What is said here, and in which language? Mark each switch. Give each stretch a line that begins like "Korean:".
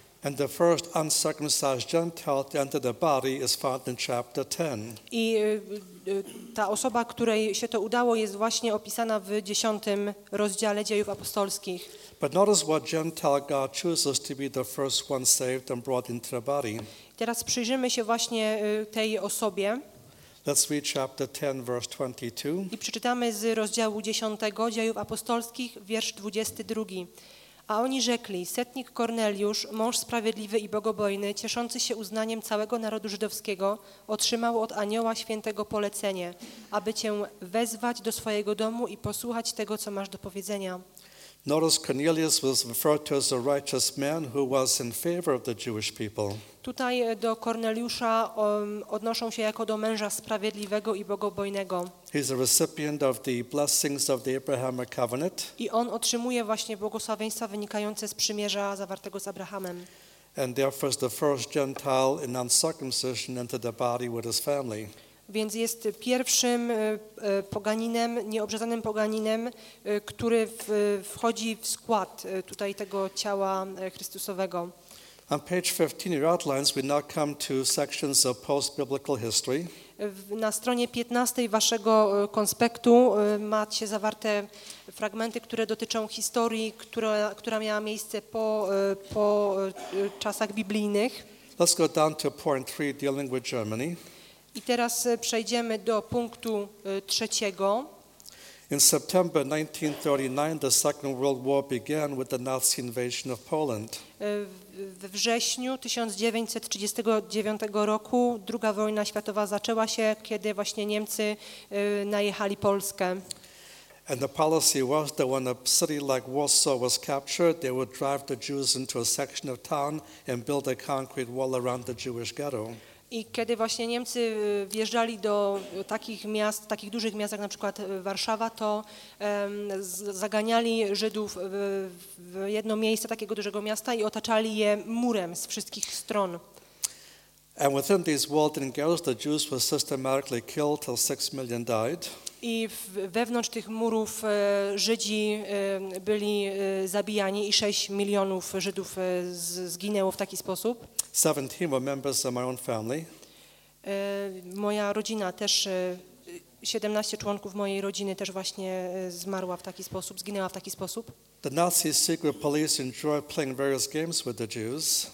English: And the first uncircumcised Gentile to enter the body is found in chapter 10.
Polish: I ta osoba, której się to udało, jest właśnie opisana w 10 rozdziale Dziejów Apostolskich.
English: But notice what Gentile God chooses to be the first one saved and brought into the body.
Polish: Teraz przyjrzymy się właśnie tej osobie.
English: Let's read chapter 10, verse 22.
Polish: I przeczytamy z rozdziału 10 Dziejów Apostolskich, wiersz 22. A oni rzekli: setnik Korneliusz, mąż sprawiedliwy i bogobojny, cieszący się uznaniem całego narodu żydowskiego, otrzymał od anioła świętego polecenie, aby cię wezwać do swojego domu i posłuchać tego, co masz do powiedzenia.
English: Notice Cornelius was referred to as a righteous man who was in favor of the Jewish people.
Polish: Tutaj do Korneliusza odnoszą się jako do męża sprawiedliwego i bogobojnego.
English: He's a recipient of the blessings of the Abrahamic covenant.
Polish: I on otrzymuje właśnie błogosławieństwa wynikające z przymierza zawartego z Abrahamem.
English: And therefore is the first Gentile in uncircumcision into the body with his family.
Polish: Więc jest pierwszym poganinem, nieobrzezanym poganinem, który wchodzi w skład tutaj tego ciała Chrystusowego.
English: On page 15 your outlines we now come to sections of post-biblical history.
Polish: Na stronie 15 waszego konspektu macie zawarte fragmenty, które dotyczą historii, która miała miejsce po czasach biblijnych.
English: Let's go down to point 3 dealing with Germany.
Polish: I teraz przejdziemy do punktu trzeciego.
English: In September 1939 the Second World War began with the Nazi invasion of Poland.
Polish: We wrześniu 1939 roku II wojna światowa zaczęła się, kiedy właśnie Niemcy najechali Polskę.
English: And the policy was that when a city like Warsaw was captured, they would drive the Jews into a section of town and build a concrete wall around the Jewish ghetto.
Polish: I kiedy właśnie Niemcy wjeżdżali do takich miast, takich dużych miast jak na przykład Warszawa, to zaganiali Żydów w jedno miejsce takiego dużego miasta i otaczali je murem z wszystkich stron.
English: And within these walled-in ghettos, the Jews were systematically killed till 6 million died.
Polish: I wewnątrz tych murów Żydzi byli zabijani i 6 milionów Żydów zginęło w taki sposób.
English: 17 were members of my own family.
Polish: Moja rodzina też, 17 członków mojej rodziny też właśnie zmarła w taki sposób, zginęła w taki sposób.
English: The Nazi secret police enjoyed playing various games with the Jews.